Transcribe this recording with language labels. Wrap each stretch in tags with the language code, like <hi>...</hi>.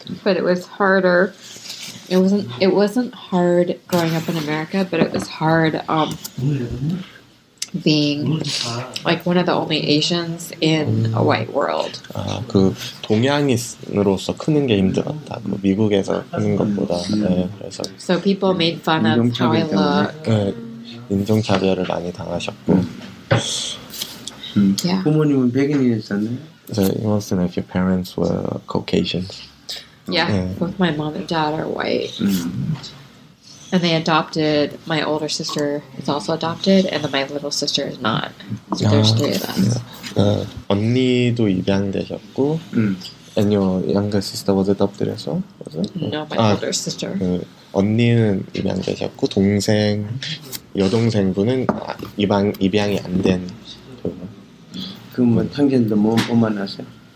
<en>But it was harder. It wasn't hard growing up in America, but it was hard being like one of the only Asians in a white world.</en> <ko>아, 그 동양인으로서 크는 게 힘들었다. 뭐 미국에서 크는 것보다. 네, 그래서.</ko> <en>So people made fun of how I look.</en> <ko>네, 인종차별을 많이 당하셨고.</ko> <en>Yeah.</en> <ko>부모님은 백인이셨나요?</ko> <en>So he wants to know if your parents were Caucasian. Yeah, both my mom and dad are white. And they adopted, my older sister is also adopted, and then my little sister is not. So there's three of us.</en> <ko>언니도 입양되셨고,</ko> <en>and your younger sister was adopted as well? Was it? No, my older sister.</en> <ko>언니는 입양되셨고, 동생, 여동생분은 입양이 안 된. 그럼 탕진도 못 만나세요?</ko>